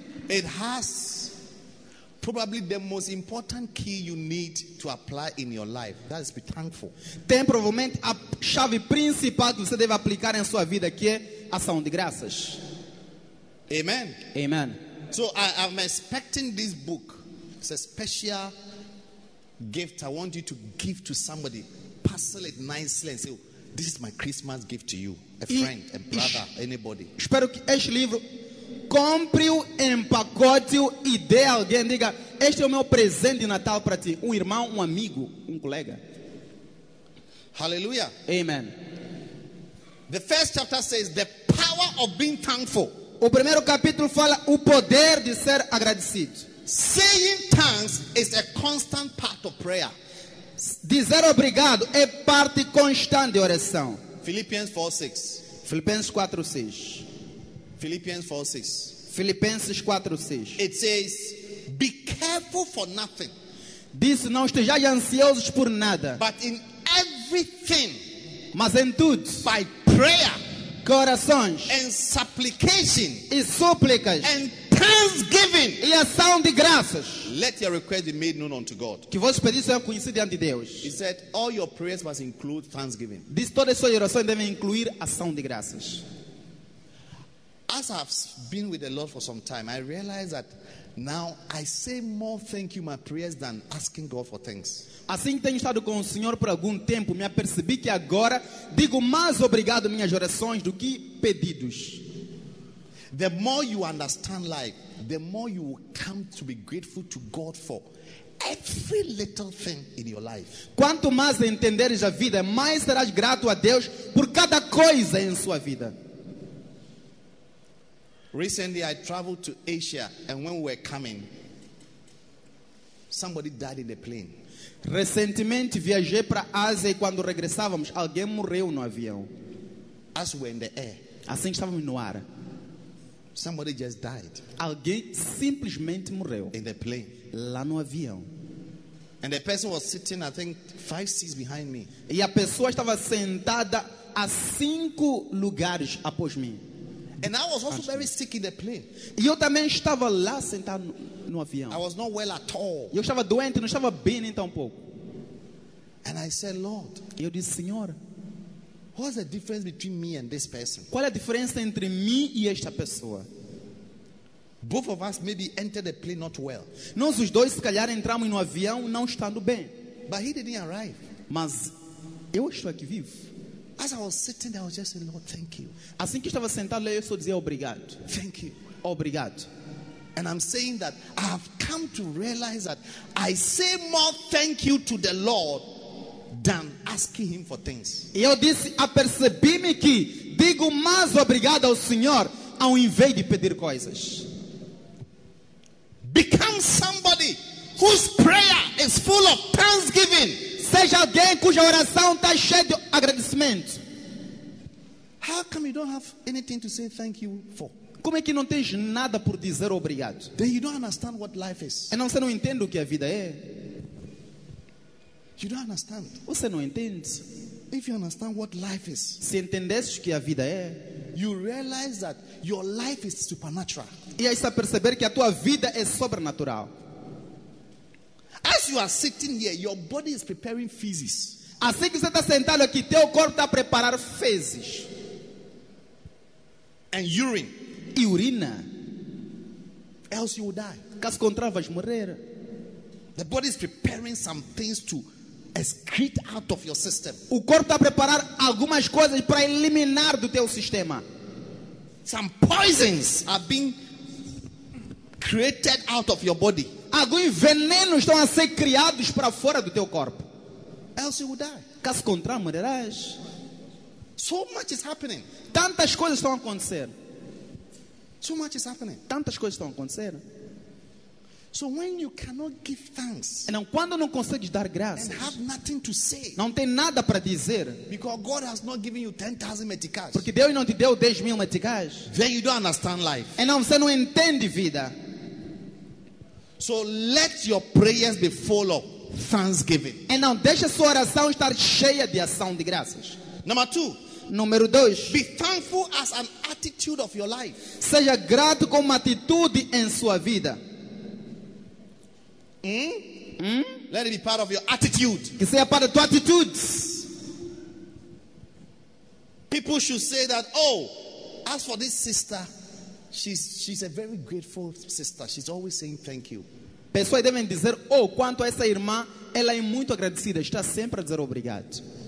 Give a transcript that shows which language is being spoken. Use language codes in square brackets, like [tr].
[en] It has probably the most important key you need to apply in your life. That is, be thankful. [pt] Tem provavelmente a chave principal que você deve aplicar em sua vida, que é ação de graças. Amen. Amen. [en] So I'm expecting this book. It's a special gift I want you to give to somebody. Parcel it nicely and say, this is my Christmas gift to you. A friend, a brother, anybody. [pt] Espero que este livro, compre-o, empacote-o e dê a alguém. Diga, este é o meu presente de Natal para ti. Um irmão, um amigo, um colega. Hallelujah. Amen. [en] The first chapter says the power of being thankful. [pt] O primeiro capítulo fala o poder de ser agradecido. [en] Saying thanks is a constant part of prayer. [pt] Dizer obrigado é parte constante de oração. Filipenses 4:6. Filipenses 4:6. [en] Filipenses 4:6. It says, be careful for nothing. [pt] Diz, não estejais ansiosos por nada. [en] But in everything. [pt] Mas em tudo. [en] By prayer. [pt] Corações. [en] And supplication. [pt] E súplicas. [en] And thanksgiving. [pt] E ação de graças. [en] Let your request be made known unto God. [pt] Que vossos pedidos sejam conhecidos diante de Deus. [en] He said, all your prayers must include thanksgiving. [pt] Diz, todas as suas orações devem incluir ação de graças. [en] as I've been with the Lord for some time, I realize that now I say more thank you, my prayers, than asking God for things. [pt] Assim tenho estado com o Senhor por algum tempo, me apercebi que agora digo mais obrigado minhas orações do que pedidos. [en] The more you understand life, the more you will come to be grateful to God for every little thing in your life. [pt] Quanto mais entenderes a vida, mais serás grato a Deus por cada coisa em sua vida. [en] Recently, I traveled to Asia, and when we were coming, somebody died in the plane. [pt] Recentemente viajei para a Ásia e quando regressávamos, alguém morreu no avião. [en] As we were in the air. [pt] Assim estávamos no ar. [en] Somebody just died. [pt] Alguém simplesmente morreu. [en] In the plane. [pt] Lá no avião. [en] And the person was sitting, I think, 5 seats behind me. [pt] E a pessoa estava sentada a 5 lugares após mim. [en] And I was also very sick in the plane. [pt] E eu também estava lá sentado no avião. [en] I was not well at all. [pt] Eu estava doente, não estava bem nem tampouco. [en] And I said, Lord. [pt] E eu disse, Senhor. [en] What's the difference between me and this person? [pt] Qual é a diferença entre mim e esta pessoa? [en] Both of us maybe entered the plane not well. [pt] Nós os dois se calhar entramos no avião não estando bem. [en] But he didn't arrive. [pt] Mas eu estou aqui vivo. [en] As I was sitting there, I was just saying, Lord, thank you. [pt] Assim que estava sentado, eu só dizia obrigado. [en] Thank you. [pt] Obrigado. [en] And I'm saying that I have come to realize that I say more thank you to the Lord than asking him for things. [pt] Eu disse, apercebi-me que digo mais obrigado ao Senhor ao invés de pedir coisas. [en] Become somebody whose prayer is full of thanksgiving. [pt] Seja alguém cuja oração está cheia de agradecimento. [en] How come you don't have anything to say thank you for? [pt] Como é que não tens nada por dizer obrigado? [en] Then you don't understand what life is. [pt] Então você não entende o que a vida é. [en] You don't understand. [pt] Você não entende. [en] If you understand what life is, [pt] se entendesse que a vida é, [en] you realize that your life is supernatural. [pt] E aí está a perceber que a tua vida é sobrenatural. [en] As you are sitting here, your body is preparing phases. [pt] Assim que você está sentado aqui, teu corpo está a preparar fezes. [en] And urine. [pt] E urina. [en] Else you will die. [pt] Caso contrário, vais morrer. [en] The body is preparing some things to excrete out of your system. [pt] O corpo está a preparar algumas coisas para eliminar do teu sistema. [en] Some poisons are being created out of your body. [pt] Alguns venenos estão a ser criados para fora do teu corpo. [en] Else you will die. [pt] Caso contrário, morrerás. [en] So much is happening. [pt] Tantas coisas estão a acontecer. [en] So much is happening. [pt] Tantas coisas estão a acontecer. [en] So when you cannot give thanks, [pt] então quando não consegues dar graças, [en] and have nothing to say, [pt] não tem nada para dizer, [en] because God has not given you 10,000 meticais, [pt] porque Deus não te deu 10,000 meticais, [en] then you don't understand life. [pt] Então você não entende vida. [en] So let your prayers be full of thanksgiving. [pt] Então deixa sua oração estar cheia de ação de graças. [en] Number two. [pt] Número 2. [en] Be thankful as an attitude of your life. [pt] Seja grato com uma atitude em sua vida. [en] Let it be part of your attitude. [pt] Que seja parte da tua atitude. [en] People should say that, oh, as for this sister, she's a very grateful sister. She's always saying thank you. [pt] Pessoas devem dizer, oh, quanto a essa irmã, ela é muito agradecida, está sempre a dizer obrigado.